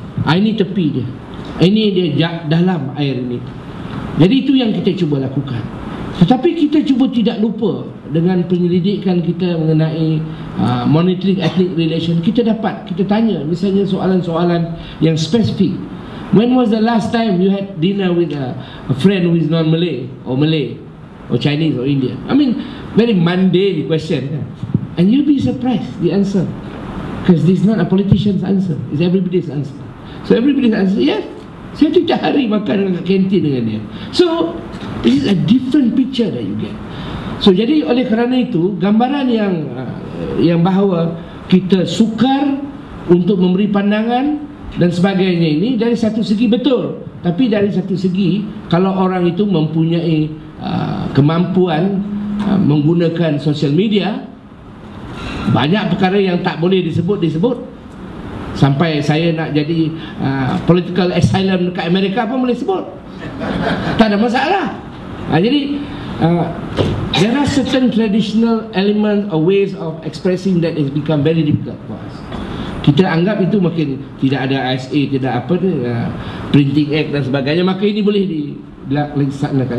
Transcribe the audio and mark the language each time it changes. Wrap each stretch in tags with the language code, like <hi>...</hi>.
<ms>Ini tepi dia. Ini dia dalam air ini. Jadi itu yang kita cuba lakukan. Tetapi kita cuba tidak lupa dengan penyelidikan kita mengenai</ms> <en>monitoring ethnic relation.</en> <ms>Kita dapat, kita tanya misalnya soalan-soalan yang spesifik.</ms> <en>When was the last time you had dinner with a friend who is non-Malay or Malay or Chinese or Indian? I mean, very mundane question. And you'll be surprised the answer. Because this is not a politician's answer. It's everybody's answer. So everybody's answer, yes.</en> <ms>Saya tiap hari makan dengan kantin dengan dia.</ms> <en>So, this is a different picture that you get. So,</en> <ms>jadi oleh kerana itu, gambaran yang yang bahawa kita sukar untuk memberi pandangan dan sebagainya ini, dari satu segi betul. Tapi dari satu segi, kalau orang itu mempunyai kemampuan menggunakan social media, banyak perkara yang tak boleh disebut. Sampai saya nak jadi</ms> <en>political asylum</en> <ms>dekat Amerika pun boleh sebut. Tak ada masalah. Jadi</ms> <en>there are certain traditional elements or ways of expressing that has become very difficult for us.</en> <ms>Kita anggap itu makin tidak ada ISA, tidak apa ni, printing act dan sebagainya, maka ini boleh dilaksanakan.</ms>